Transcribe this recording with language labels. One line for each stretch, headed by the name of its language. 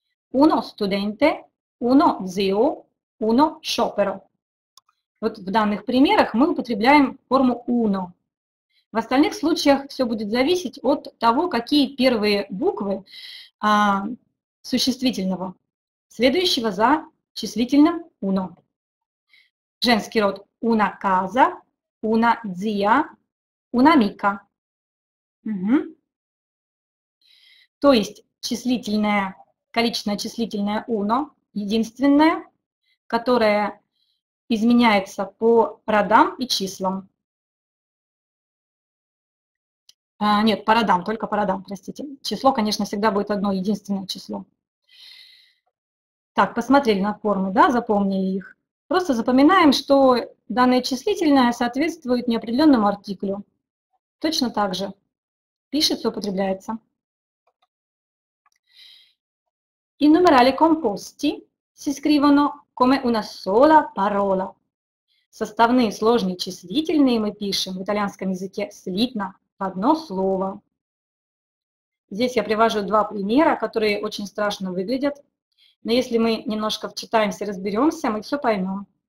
Italian: Uno studente, uno zio, uno sciopero.
Russian: Вот в данных примерах мы употребляем форму uno. В остальных случаях все будет зависеть от того, какие первые буквы существительного, следующего за числительным uno. Женский род
Italian: una casa, una zia, una amica. Угу.
Russian: То есть числительное, количественное числительное uno, единственное, которое изменяется по родам и числам. Нет, по родам, только по родам, простите. Число, конечно, всегда будет одно, единственное число. Так, посмотрели на формы, да, запомнили их. Просто запоминаем, что данное числительное соответствует неопределенному артиклю. Точно так же пишется, употребляется.
Italian: И numerali composti si scrivono come una sola parola.
Russian: Составные сложные числительные мы пишем в итальянском языке слитно, одно слово. Здесь я привожу два примера, которые очень страшно выглядят. Но если мы немножко вчитаемся, разберемся, мы все поймем.